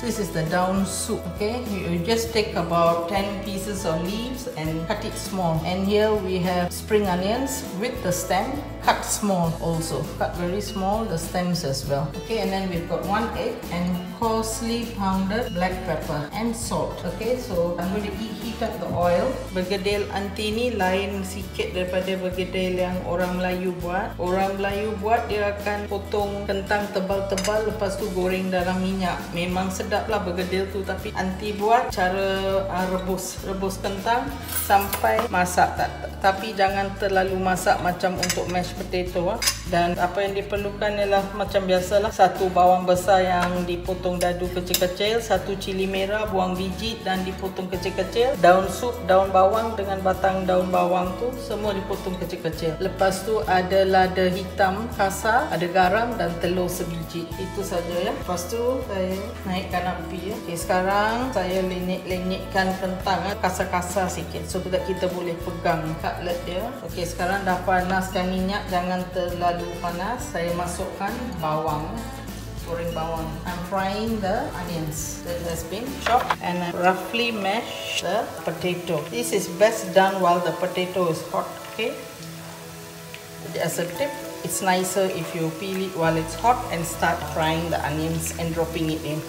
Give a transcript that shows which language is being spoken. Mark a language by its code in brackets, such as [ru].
[en] This is the daun soup. Okay, you just take about 10 pieces of leaves and cut it small. And here we have spring onions with the stem cut small also. Cut very small, the stems as well. Okay, and then we've got 1 egg and coarsely pounded black pepper and salt. Okay, so I'm going to heat up the oil. [ms] Begedil anti ni lain sikit daripada begedil yang orang Melayu buat. Orang Melayu buat, dia akan potong kentang tebal-tebal lepas tu goreng dalam minyak. Memang sedap lah begedil tu, tapi anti buat cara rebus. Rebus kentang sampai masak. Tapi jangan terlalu masak macam untuk mashed potato. Dan apa yang diperlukan ialah macam biasalah, 1 bawang besar yang dipotong dadu kecil-kecil, 1 cili merah, buang biji dan dipotong kecil-kecil, daun sup, daun bawang dengan batang daun bawang tu semua dipotong kecil-kecil. Lepas tu ada lada hitam kasar, ada garam dan telur sebiji. Itu saja ya. Lepas tu saya naikkan api ya. Okay, sekarang saya lenyek-lenyekkan kentang kasar-kasar sikit supaya kita boleh pegang cutlet dia. Okay, sekarang dah panaskan minyak, jangan terlalu panas. Saya masukkan bawang, goreng bawang. [en] I'm frying the onions that has been chopped, and I roughly mash the potato. This is best done while the potato is hot. Okay, as a tip, it's nicer if you peel it while it's hot and start frying the onions and dropping it in.